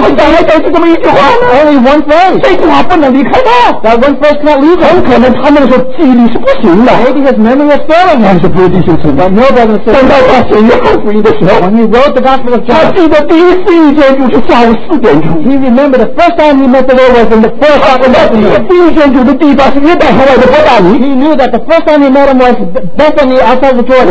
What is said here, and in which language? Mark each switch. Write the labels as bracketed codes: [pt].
[zh] 怎么讲来讲去这么一句话呢 [en] Only one thing [zh] 这句话不能离开他 [en] That one verse cannot leave him [zh] 很可能他那个时候记忆力是不行的 [en] Maybe his memory was failing him [zh] 但是不是弟兄姊妹 [en] No brother and sister [zh] 等到他写约翰福音的时候 [en] When he wrote the gospel of John [zh] 他记得第一次遇见就是下午四点钟 [en] He remembered the first time he met the Lord was in the first half of that year [zh] 第一见主的地方是约旦河外的伯大尼 [en] He knew that the first time he met him was Bethany outside the Jordan